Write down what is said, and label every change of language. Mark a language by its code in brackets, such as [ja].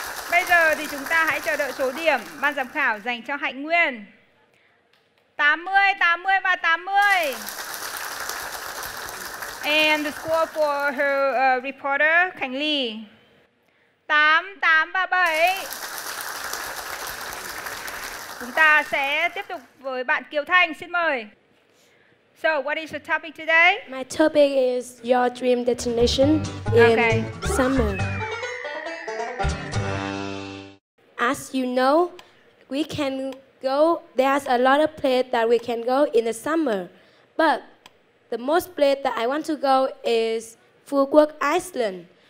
[vi] Bây giờ thì chúng ta hãy chờ đợi số điểm ban giám khảo dành cho Hạnh Nguyên. 80, 80 và 80. [en] And the score for her reporter, Khánh Ly. [vi] 8, 8 và 7. Chúng ta sẽ tiếp tục với bạn Kiều Thanh, xin mời. [en] So, what is the topic today? My topic is your dream destination in summer. As you know, we can go, there's a lot of places that we can go in the summer. But the most place that I want to go is Phú Quốc Island.